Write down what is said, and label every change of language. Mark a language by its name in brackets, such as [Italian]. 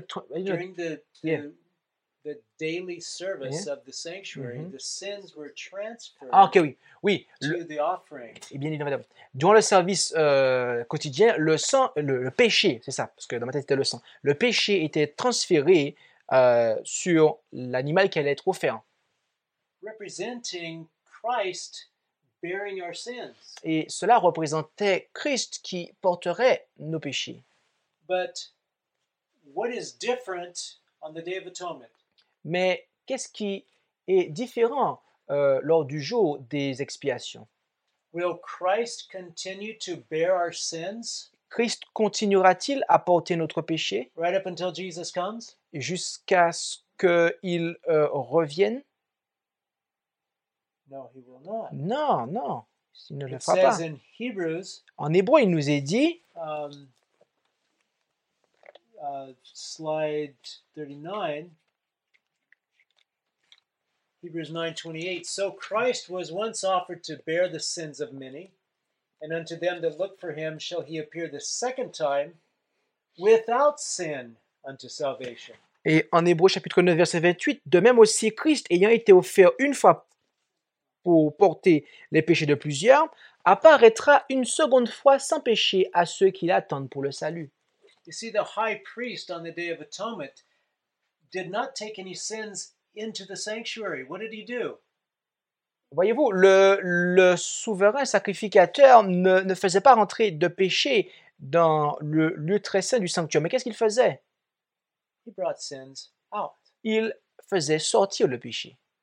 [English] During the daily service of the sanctuary, the sins were transferred to the offering. [French] Et bien évidemment, durant le service quotidien, le sang, le péché, c'est ça, parce que dans ma tête c'était le sang, le péché était transféré sur l'animal qui allait être offert. [English] Representing Christ bearing our sins. [French] Et cela représentait Christ qui porterait nos péchés. [English] But what is different on the Day of Atonement? [French] Mais qu'est-ce qui est différent lors du jour des expiations? [English] Will Christ continue to bear our sins? [French] Christ continuera-t-il à porter notre péché? [English] Right up until Jesus comes? [French] Jusqu'à ce qu'il revienne? [English] No, he will not. [French] Non, il ne [English] it [French] le fera [English] says [French] pas. [English] In Hebrews, [French] en hébreu, il nous est dit. [English] Slide 39, Hebrews 9:28. So Christ was once offered to bear the sins of many, and unto them that look for him shall he appear the second time without sin unto salvation. [French] Et en Hébreux chapitre 9, verset 28, de même aussi Christ, ayant été offert une fois pour porter les péchés de plusieurs, apparaîtra une seconde fois sans péché à ceux qui l'attendent pour le salut. [English] You see, the high priest on the Day of Atonement did not take any sins into the sanctuary. What did he do? [French] Voyez-vous, le souverain sacrificateur ne faisait pas rentrer de péché dans le lieu très saint du sanctuaire. Mais qu'est-ce qu'il faisait? [English] He brought sins out. [French] Il faisait sortir le péché.